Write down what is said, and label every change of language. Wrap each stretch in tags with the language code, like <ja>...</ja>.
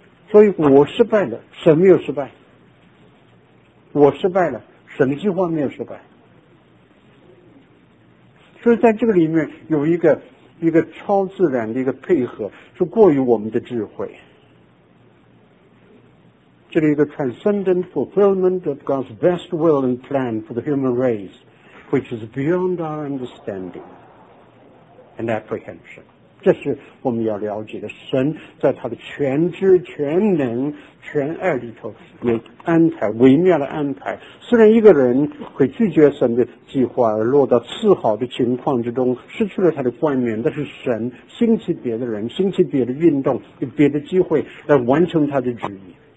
<zh>所以我失败了，神没有失败，我失败了，神的计划没有失败。所以在这个里面有一个超自然的一个配合，是过于我们的智慧。这里一个</zh> <en>transcendent fulfillment of God's best will and plan for the human race, which is beyond our understanding and apprehension.</en> <zh>这是我们要了解的，神在他的全知、全能、全爱里头有安排，微妙的安排。虽然一个人会拒绝神的计划而落到次好的情况之中，失去了他的冠冕，但是神兴起别的人，兴起别的运动，有别的机会来完成他的旨意。</zh>